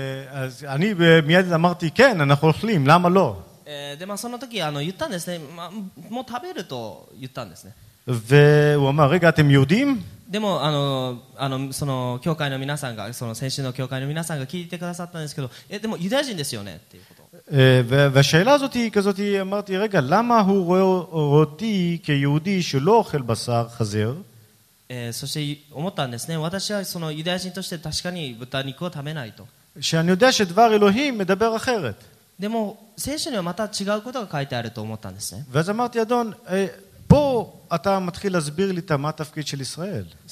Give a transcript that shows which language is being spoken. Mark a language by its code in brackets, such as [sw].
[he] אז אני מיד אמרתי כן, אנחנו אוכלים, למה לא? [ja] でまあその時言ったんですね。まあもう食べると言ったんですね。 [he] והוא אמר, רגע, אתם יהודים? [ja] でもその教会の皆さんが、その先週の教会の皆さんが聞いてくださったんですけど、でもユダヤ人ですよねっていうこと。 [he] והשאלה הזאת היא כזאת, אמרתי, רגע, למה הוא רואה אותי כיהודי שלא אוכל בשר חזיר? [ja] そして思ったんですね。私はそのユダヤ人として確かに豚肉を食べないと。 [he] שאני יודע שדבר אלוהים מדבר אחרת. [ja] でも聖書にはまた違うことが書いてあると思ったんですね。 [he] ואז אמרתי, אדון, פה אתה מתחיל להסביר לי מה התפקיד של ישראל.